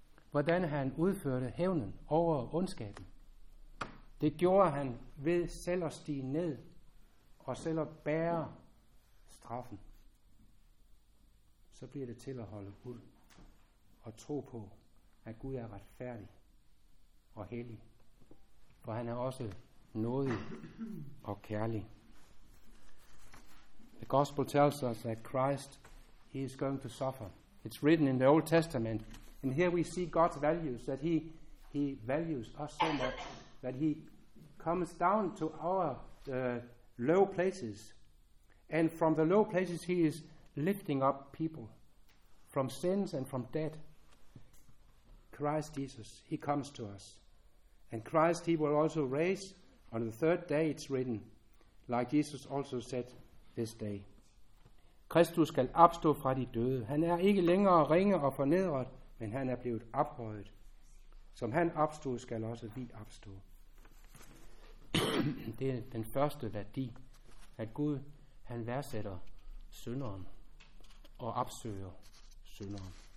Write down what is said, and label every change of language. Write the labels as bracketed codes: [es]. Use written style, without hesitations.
[da] Hvordan han udførte hævnen over ondskaben. Det gjorde han ved selv at stige ned og selv at bære straffen. Så bliver det til at holde ud og tro på, at Gud er retfærdig og hellig. For han er også nådig og kærlig. [en] The gospel tells us that Christ, he is going to suffer. It's written in the Old Testament. And here we see God's values, that he values us so much, that he comes down to our low places. And from the low places he is lifting up people from sins and from death. Christ Jesus, he comes to us. And Christ, he will also raise on the third day, it's written, like Jesus also said this day. [da] Kristus skal opstå fra de døde. Han er ikke længere ringe og fornedret, men han er blevet ophøjet. Som han opstod, skal også vi opstå. Det er den første værdi, at Gud, han værdsætter synderen og opsøger synderen.